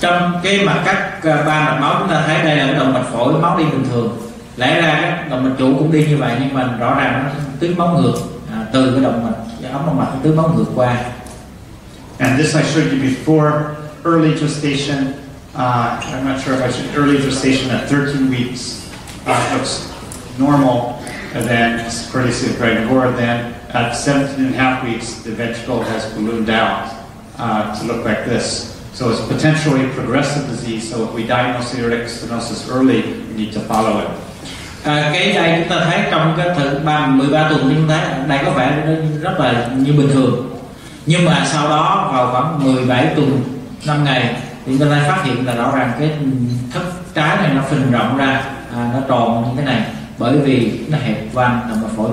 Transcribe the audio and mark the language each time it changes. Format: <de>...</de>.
<vi>Trong cái mặt cắt ba mạch máu chúng ta thấy đây là động mạch phổi máu đi bình thường. Lẽ ra động mạch chủ cũng đi như vậy nhưng mà rõ ràng nó tiến máu ngược từ cái động mạch ống động mạch tiến máu ngược qua.</vi> <en>And this I showed you before early gestation. I'm not sure if I should early gestation at 13 weeks looks normal. And then, courtesy of Greg Gore, then at 17 and a half weeks, the ventricle has ballooned out to look like this. So it's potentially progressive disease. So if we diagnose aortic stenosis early, we need to follow it.</en> <vi>Cái này chúng ta thấy trong cái thử 13 tuần chúng ta đây có vẻ rất là như bình thường. Nhưng mà sau đó vào khoảng 17 tuần 5 ngày thì chúng ta phát hiện là rõ ràng cái thấp trái này nó phình rộng ra, nó tròn như thế này bởi vì nó hẹp van động mạch phổi.</vi>